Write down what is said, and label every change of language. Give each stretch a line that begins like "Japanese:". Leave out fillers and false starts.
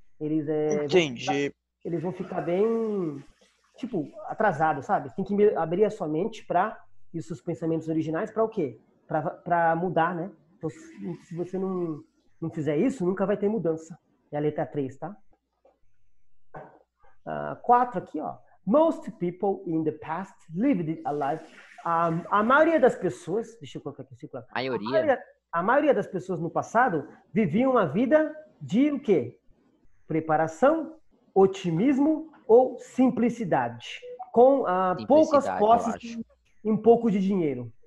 Portuguese: Eles vão ficar bem, tipo, atrasados, sabe? Tem que abrir a sua mente e os seus pensamentos originais para o quê? Para mudar, né? Então, se você não fizer isso, nunca vai ter mudança. É a letra 3, tá? 4 aqui, ó.
English: Most people in the past lived a life.
Portuguese: A maioria das pessoas. Deixa eu colocar aqui o ciclo. A maioria das pessoas no passado viviam uma vida de o quê? Preparação, otimismo ou simplicidade? Com simplicidade, poucas posses e um pouco de dinheiro.